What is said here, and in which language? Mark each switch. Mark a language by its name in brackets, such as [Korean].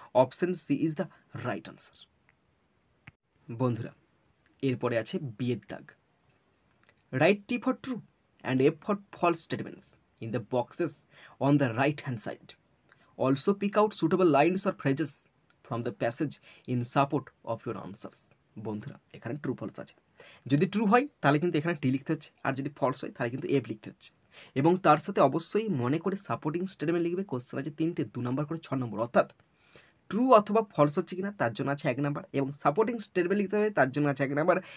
[English] Option C is the right answer. [Bangla] বন্ধুরা, এরপরে আছে বিয়ের দাগ। [English] Write T for true and F for false statements in the boxes on the right hand side. Also pick out suitable lines or phrases from the passage in support of your answers. [Bangla] বন্ধুরা এখানে true false আছে, যদি true হয় তাহলে কিন্তু এখানে টি লিখতে হচ্ছে, আর যদি ফলস হয় তাহলে কিন্তু এফ লিখতে হচ্ছে। এবং তার সাথে অবশ্যই মনে করে সাপোর্টিং স্টেটমেন্ট লিখবে। কোশ্চেন আছে তিনটে, দু নম্বর করে ছ নম্বর, অর্থাৎ ট্রু অথবা ফলস হচ্ছে কিনা তার জন্য আছে এক নম্বর, এবং সাপোর্টিং স্টেটমেন্ট লিখতে হবে তার জন্য আছে এক নম্বর।